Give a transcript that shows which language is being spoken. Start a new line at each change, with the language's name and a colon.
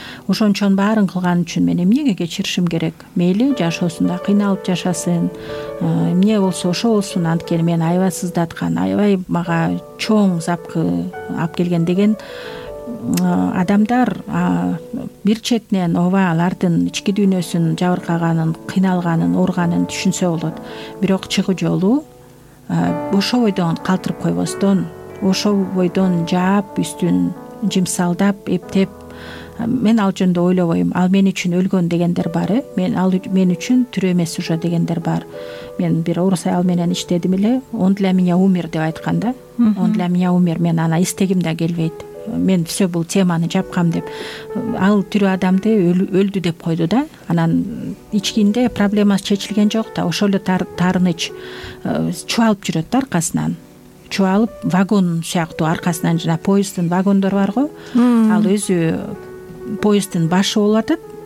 Kyrgyz: Ошончон баарын кылган үчүн мен эмнеге кечиришим керек? Мейли жашоосунда кыйналып жашасын, эмне болсо ошо болсун, анткени мен аябасыздаткан, аябай мага чоң запкы алып келген деген адамдар бир четинен ооба алардын ички дүйнөсүн жабыркаганын, кыйналганын, ооруганын түшүнсө болот. Бирок чыгуу жолу ошо бойдон калтырып койбостон, ошо бойдон жаап, үстүн жымсалдап, эптеп, мен ал жөнүндө ойлобойм. Ал мен үчүн өлгөн дегендер бар, мен үчүн тирүү эмес уже дегендер бар. Мен бир орус аял менен иштедим эле,
Russian: он для меня умер
Kyrgyz: деп айткан да.
Russian: Он для меня умер,
Kyrgyz: мен ана эстегим да келбейт. Мен все бул теманы жапкам деп ал түрү адамды өлдү деп койду да. Анан ичкинде проблемасы чечилген жок да, ошол эле тарыныч чубалып жүрөт да аркасынан. Чубалып вагон сыяктуу аркасынан, жана поезддин вагондору бар го, ал өзү поезддин башы болуп атат.